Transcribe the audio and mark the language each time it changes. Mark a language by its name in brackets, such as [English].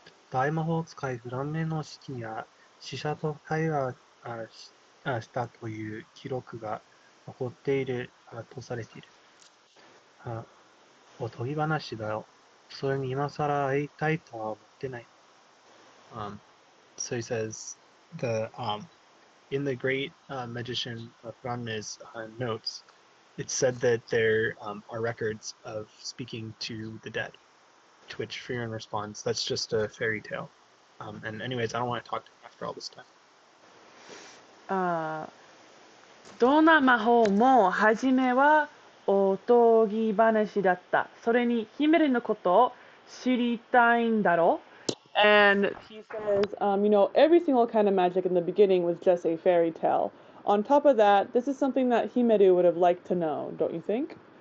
[Japanese] 大魔法使いフランネの式には死者と会話したという記録が残っているとされている。おとぎ話だよ。それに今更会いたいとは思ってない。 [English] So he says... The in the great magician Frieren's notes, it's said that there are records of speaking to the dead, to which Frieren responds, "That's just a fairy tale." And anyways, I don't want to talk to him after all this time. [Japanese] どんな魔法も初めはおとぎ話だった。それにヒメルのことを知りたいんだろう。 [English] And he says, you know, every single kind of magic in the beginning was just a fairy tale. On top of that, this is something that Himeru would have liked to know, don't you think?